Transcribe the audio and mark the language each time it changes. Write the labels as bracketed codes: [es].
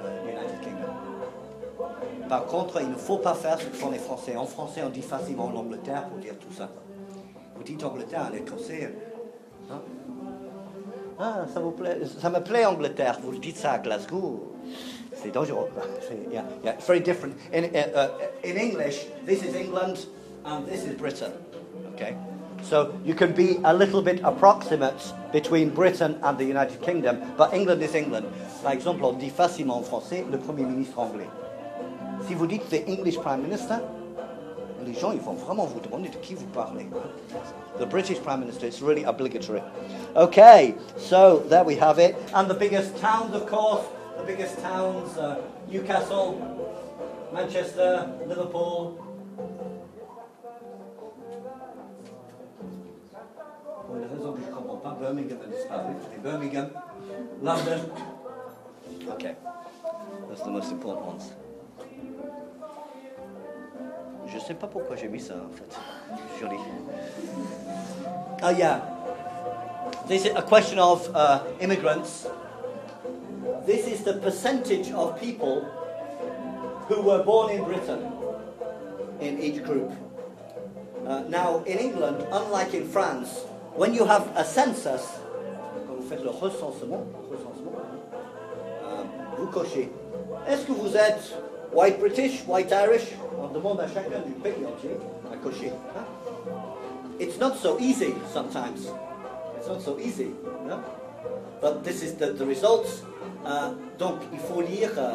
[en] United Kingdom. [fr] Par contre, il ne faut pas faire ce que font les Français. En français, on dit facilement l'Angleterre pour dire tout ça. Vous dites Angleterre à l'Écossais. Hein? Ah, ça vous plaît, ça me plaît Angleterre. Vous dites ça à Glasgow. C'est dangereux. [en] Yeah, it's very different. In English, this is England and this is Britain. Okay. So you can be a little bit approximate between Britain and the United Kingdom, but England is England. [fr] Par exemple, on dit facilement en français le Premier ministre anglais. Si vous dites [en] the English Prime Minister, [fr] les gens ils vont vraiment vous demander de qui vous parlez. [en] The British Prime Minister, it's really obligatory. Okay, so there we have it. And the biggest towns, of course, the biggest towns, Newcastle, Manchester, Liverpool. [fr] Pour des raisons que je ne comprends pas, Birmingham a disparu. C'était Birmingham, London. [en] OK. That's the most important ones. [fr] Je ne sais pas pourquoi j'ai mis ça, en fait. Joli. [en] Oh, yeah. This is a question of immigrants. This is the percentage of people who were born in Britain in each group. Now, in England, unlike in France, when you have a census, [fr] quand vous faites le recensement, vous cochez. Est-ce que vous êtes [en] white British, white Irish? [fr] On demande à chacun du pays entier à cocher. Hein? [en] It's not so easy sometimes. It's not so easy. No? But this is the results. [fr] Donc il faut lire.